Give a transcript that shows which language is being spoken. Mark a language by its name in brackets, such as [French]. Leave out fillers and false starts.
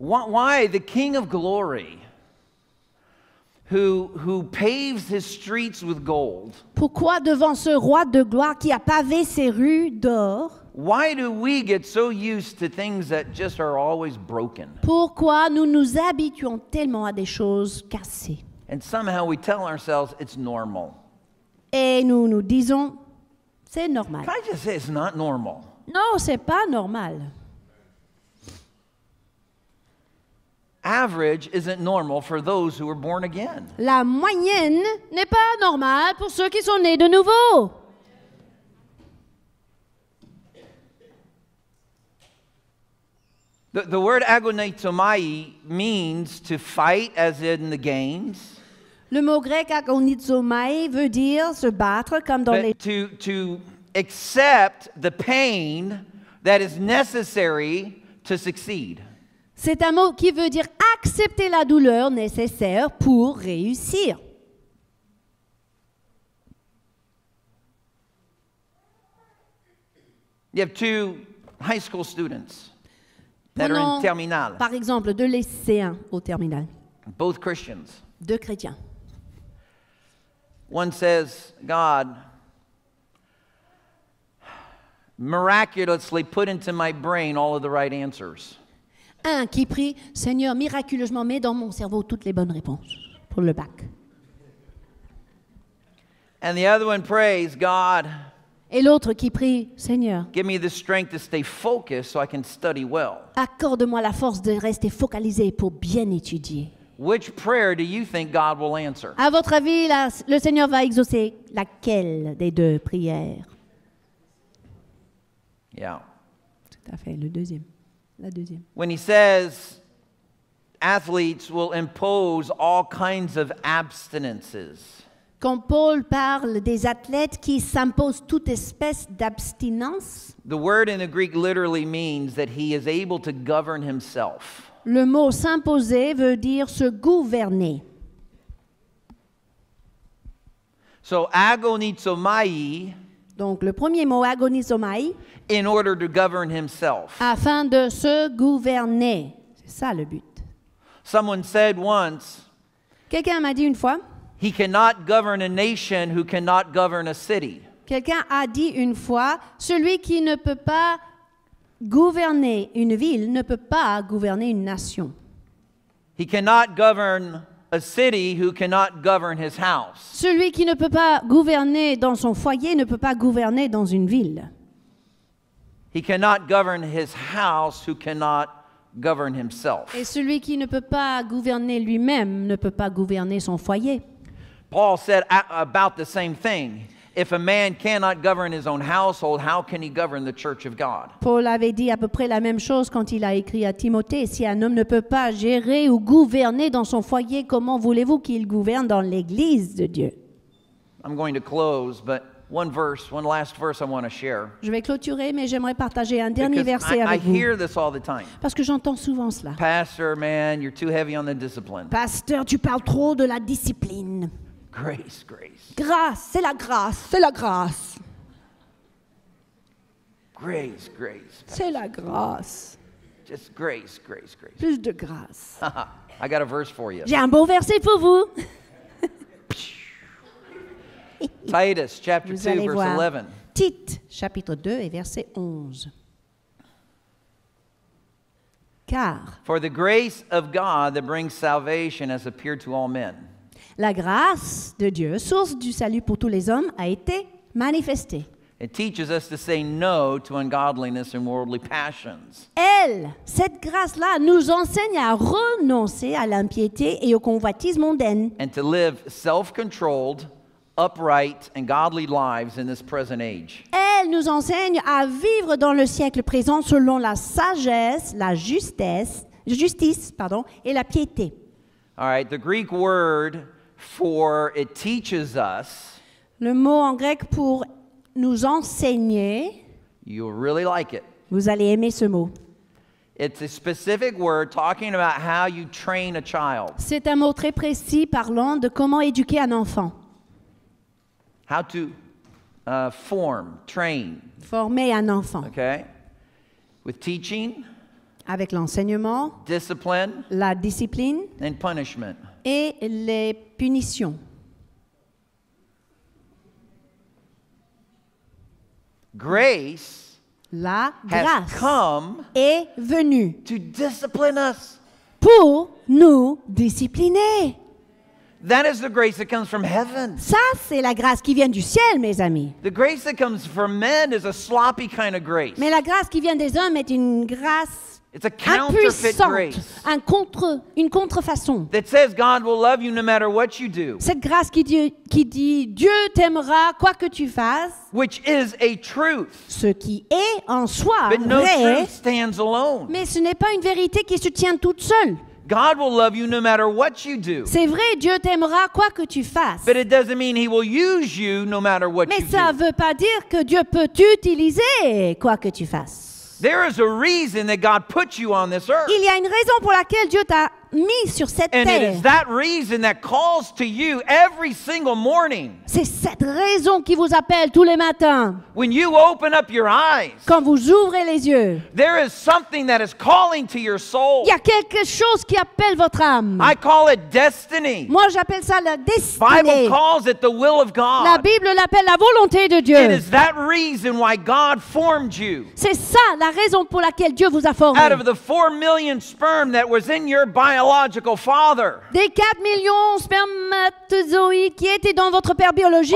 [English] Why the King of Glory, who paves his streets with gold? [French] Pourquoi devant ce roi de gloire qui a pavé ses rues d'or? [English] Why do we get so used to things that just are always broken? [French] Pourquoi nous nous habituons tellement à des choses cassées? [English] And somehow we tell ourselves it's normal. [French] Et nous nous disons c'est normal. [English] Can I just say it's not normal? [French] Non, c'est pas normal. [English] Average isn't normal for those who were born again. [French] La moyenne n'est pas normale pour ceux qui sont nés de nouveau. [English] The word agonizomai means to fight as in the games. [French] Le mot grec agonizomai veut dire se battre comme dans [English] But [French] les [English] to accept the pain that is necessary to succeed. [French] C'est un mot qui veut dire accepter la douleur nécessaire pour réussir. [English] You have two high school students. [French] Prenons, [English] that are in terminal. [French] Par exemple, deux lycéens au terminal. [English] Both Christians. [French] Deux chrétiens. [English] One says, God miraculously put into my brain all of the right answers. [French] Un qui prie, Seigneur, miraculeusement met dans mon cerveau toutes les bonnes réponses pour le bac. [English] And the other one prays, God. [French] Et l'autre qui prie, Seigneur, [English] give me the strength to stay focused so I can study well. [French] Accorde-moi la force de rester focalisé pour bien étudier. [English] Which prayer do you think God will answer? [French] À votre avis, le Seigneur va exaucer laquelle des deux prières? [English] Yeah. [French] Tout à fait, le deuxième. La deuxième. [English] When he says athletes will impose all kinds of abstinences. [French] Quand Paul parle des athlètes qui s'imposent toute espèce d'abstinence, [English] the word in the Greek literally means that he is able to govern himself. [French] Le mot s'imposer veut dire se gouverner. [English] So agonizomai, [French] donc le premier mot agonizomai, [English] in order to govern himself. [French] Afin de se gouverner, c'est ça le but. [English] Someone said once, [French] quelqu'un m'a dit une fois, [English] he cannot govern a nation who cannot govern a city. [French] Quelqu'un a dit une fois, celui qui ne peut pas gouverner une ville ne peut pas gouverner une nation. [English] He cannot govern a city who cannot govern his house. [French] Celui qui ne peut pas gouverner dans son foyer ne peut pas gouverner dans une ville. [English] He cannot govern his house who cannot govern himself. [French] Et celui qui ne peut pas gouverner lui-même ne peut pas gouverner son foyer. [English] Paul said about the same thing. If a man cannot govern his own household, how can he govern the church of God? [French] Paul avait dit à peu près la même chose quand il a écrit à Timothée. Si un homme ne peut pas gérer ou gouverner dans son foyer, comment voulez-vous qu'il gouverne dans l'église de Dieu? [English] I'm going to close, but one last verse I want to share. [French] Je vais clôturer, mais j'aimerais partager un dernier verset avec vous. [English] I hear this all the time. [French] Parce que j'entends souvent cela. [English] Pastor, man, you're too heavy on the discipline. [French] Pasteur, tu parles trop de la discipline. [English] Grace. [French] Grâce, c'est la grâce, c'est la grâce. [English] Grace. Pastor. [French] C'est la grâce. [English] Just grace. [French] Plus de grâce. [English] I got a verse for you. [French] J'ai un beau verset pour vous. [English] Titus chapter 2 verse 11. [French] Tite chapitre 2 et verset 11. Car [English] for the grace of God that brings salvation has appeared to all men. [French] La grâce de Dieu, source du salut pour tous les hommes, a été manifestée. [English] It teaches us to say no to ungodliness and worldly passions. [French] Elle, cette grâce-là, nous enseigne à renoncer à l'impiété et aux convoitises mondaines. [English] And to live self-controlled, upright and godly lives in this present age. [French] Elle nous enseigne à vivre dans le siècle présent selon la sagesse, la justice, pardon, et la piété. [English] All right, the Greek word for it teaches us. [French] Le mot en grec pour nous enseigner. [English] You'll really like it. [French] Vous allez aimer ce mot. [English] It's a specific word talking about how you train a child. [French] C'est un mot très précis parlant de comment éduquer un enfant. [English] How to form, train. [French] Former un enfant. [English] Okay. With teaching. [French] Avec l'enseignement. [English] Discipline. [French] La discipline. [English] And punishment. [French] Et les punitions. [English] Grace. [French] La [English] has [French] grâce [English] come [French] est venue [English] to discipline us. [French] Pour nous discipliner. [English] That is the grace that comes from heaven. [French] Ça, c'est la grâce qui vient du ciel, mes amis. [English] The grace that comes from men is a sloppy kind of grace. [French] Mais la grâce qui vient des hommes est une grâce [English] It's a counterfeit grace. [French] Une contrefaçon. [English] That says God will love you no matter what you do. [French] Cette grâce qui dit Dieu t'aimera quoi que tu fasses. [English] Which is a truth. [French] Ce qui est en soi [English] But [French] vrai. [English] No truth stands alone. [French] Mais ce n'est pas une vérité qui se tient toute seule. [English] God will love you no matter what you do. [French] C'est vrai, Dieu t'aimera quoi que tu fasses. [English] But it doesn't mean he will use you no matter what [French] Mais [English] you [French] ça [English] do. [French] Mais ça veut pas dire que Dieu peut t'utiliser quoi que tu fasses. [English] There is a reason that God put you on this earth. [French] Il y a une raison pour laquelle Dieu t'a mis sur cette [English] And [French] terre. [English] And it is that reason that calls to you every single morning. [French] C'est cette raison qui vous appelle tous les matins. [English] When you open up your eyes. [French] Quand vous ouvrez les yeux. [English] There is something that is calling to your soul. [French] Il y a quelque chose qui appelle votre âme. [English] I call it destiny. [French] Moi j'appelle ça la destinée. [English] Bible calls it the will of God. [French] La Bible l'appelle la volonté de Dieu. [English] It is that reason why God formed you. [French] C'est ça la raison pour laquelle Dieu vous a formé. [English] Out of the 4 million sperm that was in your body. Biological father. [French] Des 4 millions spermatozoïdes qui étaient dans votre père biologique.